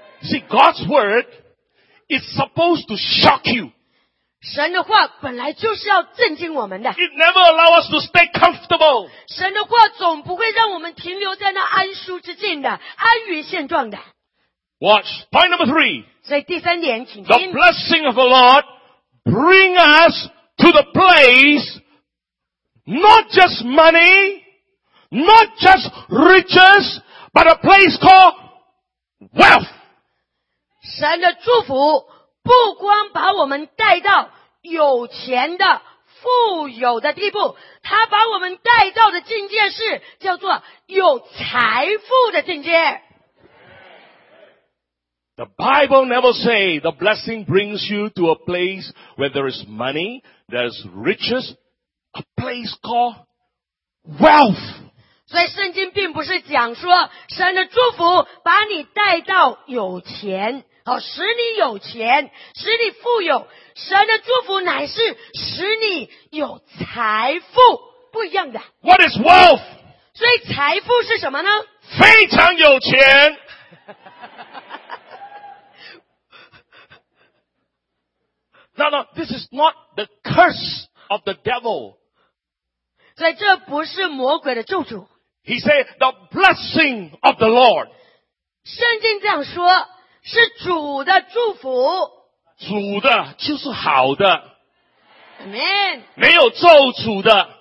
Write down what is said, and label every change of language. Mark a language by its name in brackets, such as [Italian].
[English] See, God's word is supposed to shock you. [Chinese] 神的话本来就是要震惊我们的。 [English] It never allow us to stay comfortable. [Chinese] 神的话总不会让我们停留在那安舒之境的，安于现状的。 [English] Watch, point number three. [Chinese] 所以第三点，请听。 [English] The blessing of the Lord. Bring us to the place, not just money, not just riches, but a place called wealth. [Chinese] 神的祝福不光把我们带到有钱的富有的地步，他把我们带到的境界是叫做有财富的境界。 [English] The Bible never say the blessing brings you to a place where there is money, there's riches, a place called wealth. [Chinese] 所以圣经并不是讲说神的祝福把你带到有钱，好，使你有钱，使你富有。神的祝福乃是使你有财富，不一样的。 What is wealth? 所以财富是什么呢？非常有钱。 [English] No, this is not the curse of the devil. [Chinese] 所以这不是魔鬼的咒诅。 [English] He said, the blessing of the Lord. [Chinese] 圣经这样说，是主的祝福。主的就是好的。 [English] Amen. [Chinese] 没有咒诅的。